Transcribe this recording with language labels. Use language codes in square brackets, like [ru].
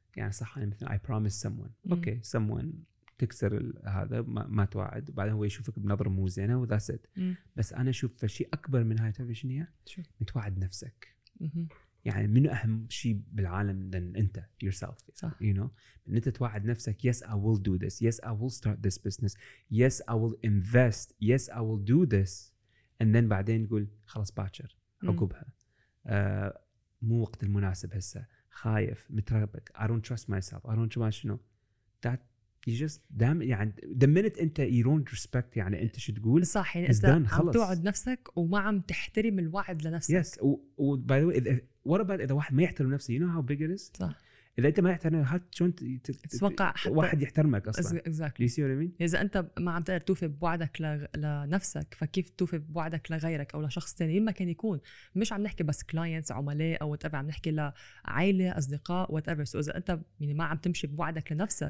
[ar] يعني صح يعني مثلا [en] I promise someone okay someone [ar] تكسر هذا ما توعد وبعدين هو يشوفك بنظره مو زينه وذاتس ات بس انا اشوف فشي اكبر من هاي تعرفين شنو هي متوعد نفسك يعني منو اهم شيء بالعالم than انت yourself صح. [en] you know انت توعد نفسك yes I will do this yes I will start this business yes I will invest yes I will do this and then [ar] بعدين تقول خلاص باكر عقبها مو وقت المناسب هسا خايف مترابط [en] I don't trust myself I don't trust you that you just damn يعني the minute انت you don't respect [ar] يعني انت شو تقول صح يعني انت عم توعد نفسك وما عم تحترم الوعد لنفسك [en] yes by the way what about [ar] اذا واحد ما يحترم نفسه [en] you know how big it is [ar] صح اذا انت ما يحترمك هات شلون تتوقع واحد يحترمك اصلا [en] exactly. you see what I mean [ar] اذا انت ما عم تقدر توفي بوعدك لنفسك فكيف توفي بوعدك لغيرك او لشخص ثاني مين ما كان يكون مش عم نحكي بس كلاينتس عملاء او [en] whatever [ar] عم نحكي لعائله اصدقاء وات ايفر سو اذا انت يعني ما عم تمشي بوعدك لنفسك